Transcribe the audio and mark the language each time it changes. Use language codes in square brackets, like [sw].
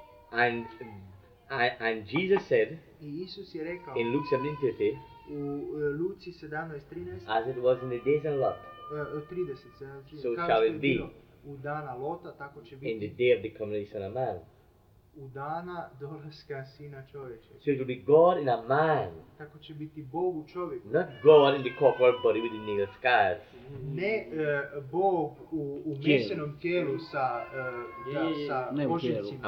[en] And Jesus said. [hr] I Isus je rekao. [en] In Luke 17:30. [hr] U Luci 17:13. [en] As it was in the days of Lot. [hr] 30:17. [en] So shall it be. [hr] U dana Lota tako će biti. [en] In the day of the coming of the Son of Man. [hr] U dana dolaska sina čovječa. [en] So it will be God in a man. [hr] Tako će biti Bog u čovjeku. [en] Not God in the corporal body with the nailed scars. [hr] Ne Bog u mesenom tijelu sa kožicima.